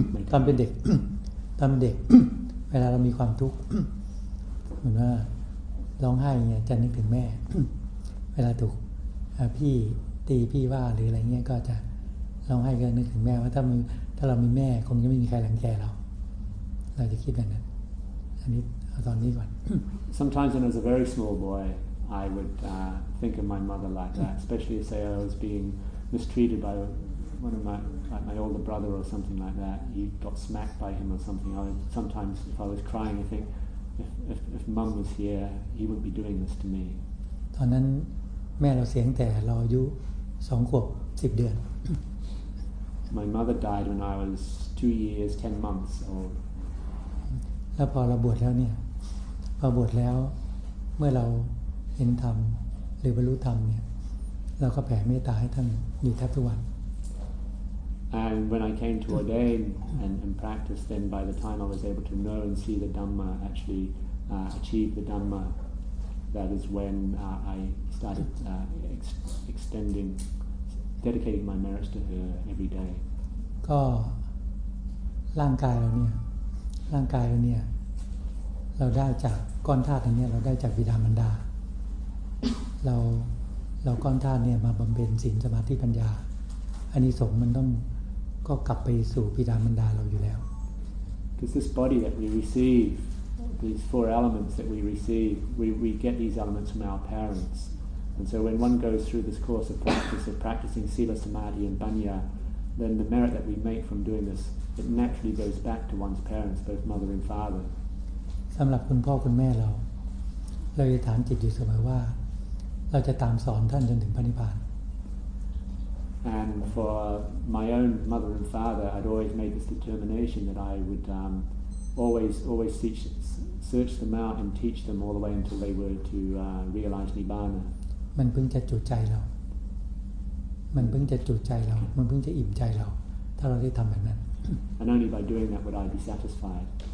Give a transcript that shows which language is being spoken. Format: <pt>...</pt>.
<th>ตอนเป็นเด็กตอนเด็กเวลาเรามีความทุกข์เหมือนว่าร้องไห้เนี่ยจะนึกถึงแม่เวลาถูกพี่ตีพี่ว่าหรืออะไรเงี้ยก็จะร้องไห้ก็นึกถึงแม่ว่าถ้าเรามีแม่คงจะไม่มีใครรังแกเราจะคิดแบบนั้นอันนี้เอาตอนนี้ก่อน</th> <en>Sometimes when I was a very small boy I would think of my mother like that especially say I was being mistreated byOne of my older brother or something like that, he got smacked by him or something. Sometimes if I was crying, I think if Mum was here, he would be doing this to me.</en> <th>ตอนนั้น แม่เราเสียตั้งแต่เราอายุ2ขวบ10เดือน</th> <en>My mother died when I was 2 years 10 months old</en> <th>แล้วพอเราบวชแล้วเนี่ยพอบวชแล้วเมื่อเราเห็นธรรมหรือบรรลุธรรมเนี่ยเราก็แผ่เมตตาให้ท่านอยู่แทบทุกวัน</th> <en>And when I came to ordain and practice then by the time I was able to know and see the Dhamma actually achieve the Dhamma that is when I started extending dedicating my merits to her every day</en> <th>ก็ร่างกายเราเนี่ยร่างกายเราเนี่ยเราได้จากก้อนธาตุเนี่ยเราได้จากบิดามารดาเราก้อนธาตุเนี่ยมาบำเพ็ญศีลสมาธิปัญญาอานิสงส์มันต้องก็กลับไปสู่บิดามารดาเราอยู่แล้ว</th> <en>Because this body that we receive these four elements that we receive we get these elements from our parents and so when one goes through this course of practice of practicing sila samadhi and banya then the merit that we make from doing this it naturally goes back to one's parents both mother and father</en> <th>สำหรับคุณพ่อคุณแม่เราจะฐานจิตอยู่เสมอว่าเราจะตามสอนท่านจนถึงพระนิพพาน</th> <en>And for my own mother and father, I'd always made this determination that I would always search them out and teach them all the way until they were to realize Nibbana.</en> <th>มันเพิ่งจะจุใจเรามันเพิ่งจะจุใจเรามันเพิ่งจะอิ่มใจเราถ้าเราได้ทำแบบนั้น</th> <en>And only by doing that would I be satisfied.</en>